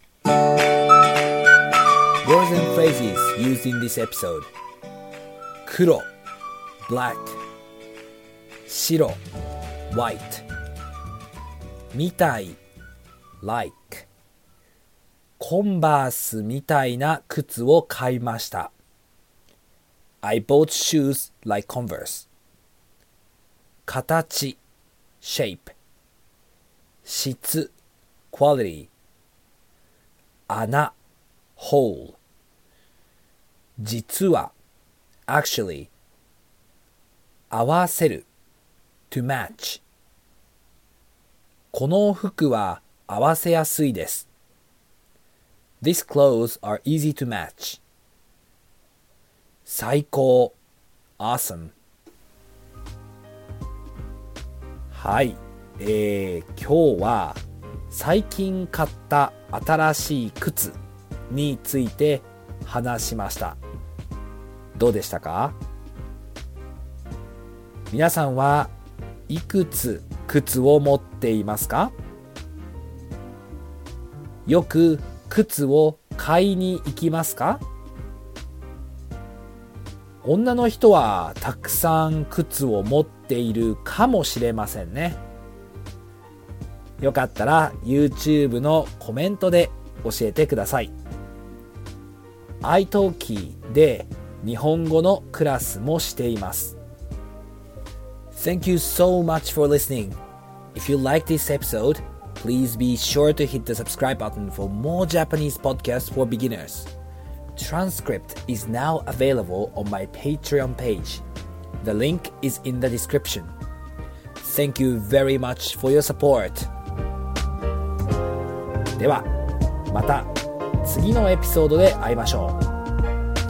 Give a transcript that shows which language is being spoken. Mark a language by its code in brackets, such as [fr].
[en] Words and phrases used in this episode: 黒 black 白 white 見たい like [ja] コンバースみたいな靴を買いました。 [en] I bought shoes like Converse. 形 shape質 quality 穴 hole 実は actually 合わせる to match [ja] この服は合わせやすいです。 [en] These clothes are easy to match 最高 awesome はい。 [ja] 今日は最近買った新しい靴について話しました。どうでしたか？皆さんはいくつ靴を持っていますか？よく靴を買いに行きますか？女の人はたくさん靴を持っているかもしれませんね。よかったら YouTube のコメントで教えてください。 iTalkieで日本語のクラスもしています。 [en] Thank you so much for listening. If you like this episode, please be sure to hit the subscribe button for more Japanese podcasts for beginners. Transcript is now available on my Patreon page. The link is in the description. Thank you very much for your support. [ja] では、また次のエピソードで会いましょう。